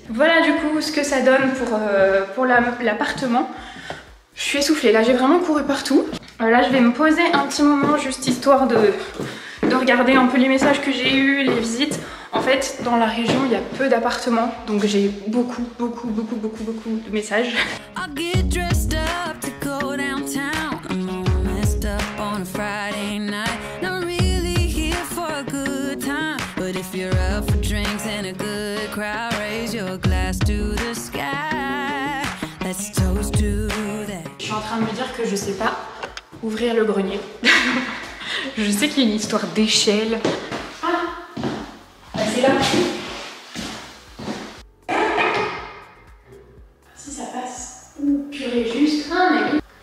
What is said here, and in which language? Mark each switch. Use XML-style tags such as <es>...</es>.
<fr>Voilà, du coup, ce que ça donne pour l'appartement. Je suis essoufflée. Là, j'ai vraiment couru partout. Là, je vais me poser un petit moment, juste histoire de regarder un peu les messages que j'ai eus, les visites. En fait, dans la région, il y a peu d'appartements, donc j'ai beaucoup, beaucoup, beaucoup, beaucoup, beaucoup de messages.</fr> <en>I'll get dressed up to go downtown. I'm all messed up on a Friday night. Not really here for a good time. But if you're up for drinks and a good crowd, raise your glass to the sky. Let's toast to that.</en> <fr>Je suis en train de me dire que je sais pas ouvrir le grenier. Je sais qu'il y a une histoire d'échelle. Ah, c'est là. Si ça passe. Ouh, purée, juste un mec.</fr>